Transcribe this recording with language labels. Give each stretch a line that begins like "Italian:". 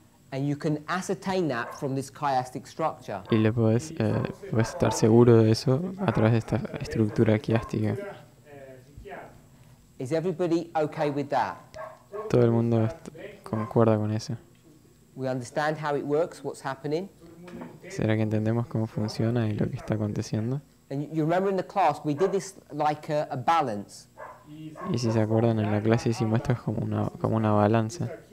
English: And you can ascertain that from this chiastic structure.
Spanish: Y le puedes puedes estar seguro de eso a través de esta estructura quiástica.
English: Is everybody okay with that?
Spanish: Todo el mundo concuerda con eso.
English: We understand how it works, what's happening.
Spanish: ¿Será que entendemos cómo funciona y lo que está aconteciendo?
English: And you remember in the class we did this like a balance.
Spanish: Y si se acuerdan, en la clase hicimos esto como una balanza.